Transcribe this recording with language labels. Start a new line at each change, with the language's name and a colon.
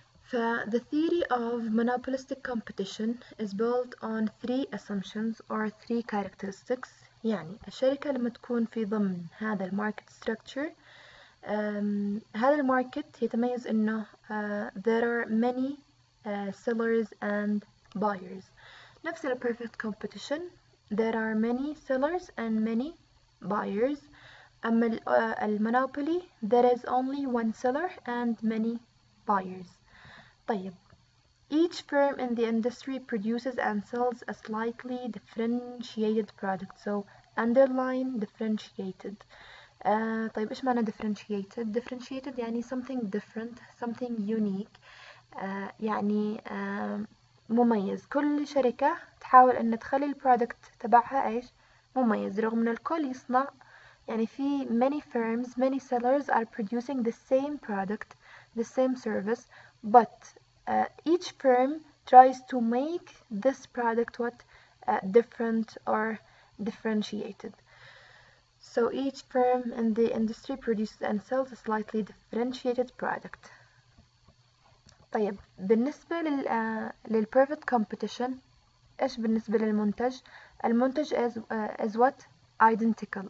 English: The theory of monopolistic competition is built on three assumptions or three characteristics.
Arabic: يعني الشركة لما تكون في ضمن هذا الماركت structure, هذا الماركت يتميز انه
English: there are many sellers and buyers.
Arabic: نفس الـ
English: perfect competition, there are many sellers and many buyers.
Arabic: أما المونوبولي,
English: there is only one seller and many buyers. طيب, each firm in the industry produces and sells a slightly differentiated product. So, underline differentiated.
Arabic: طيب, إيش معنى
English: differentiated? Differentiated
Arabic: يعني
English: something different, something unique.
Arabic: يعني مميز. كل شركة تحاول أن تخلي البرودكت تبعها إيش؟ مميز. رغم أن الكل يصنع, يعني في
English: many firms, many sellers are producing the same product, the same service, but each firm tries to make this product what different or differentiated. So each firm in the industry produces and sells a slightly differentiated product.
Arabic: طيب بالنسبة للperfect competition, إيش بالنسبة للمنتج؟ المنتج
English: is what identical.